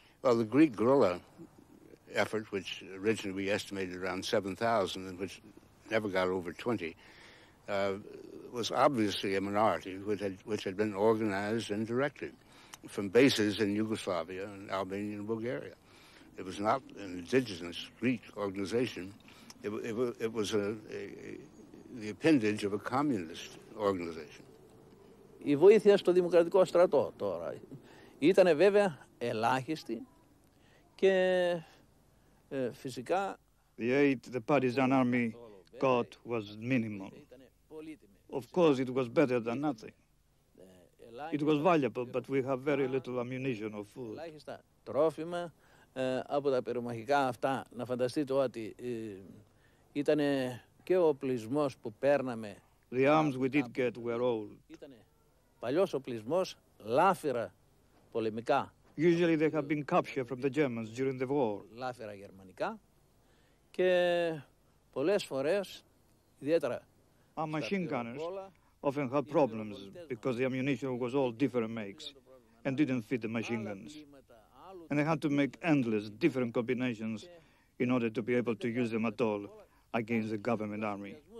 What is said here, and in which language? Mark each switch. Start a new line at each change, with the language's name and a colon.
English: Well, the Greek guerrilla effort, which originally we estimated around 7,000 and which never got over 20, was obviously a minority which had been organized and directed from bases in Yugoslavia and Albania and Bulgaria. It was not an indigenous Greek organization. It was the appendage of a communist organization.
Greek: Η βοήθεια στο δημοκρατικό στρατό τώρα ήταν βέβαια ελάχιστη και φυσικά.
English: The aid the partisan army got was minimal. Of course, it was better than nothing. It was valuable, but we have very little ammunition or food.
Greek: Ελάχιστα τρόφιμα. Από τα πυρομαχικά αυτά, να φανταστείτε ότι ήταν και ο οπλισμός που παίρναμε.
English: The arms we did get were old.
Greek: Ήταν παλιός οπλισμός, λάφυρα πολεμικά.
English: Usually they have been captured from the Germans during the war.
Greek: Λάφυρα γερμανικά. Και πολλές φορές, ιδιαίτερα.
English: Our machine gunners often had problems because the ammunition was all different makes and didn't fit the machine guns. And they had to make endless different combinations in order to be able to use them at all against the government army.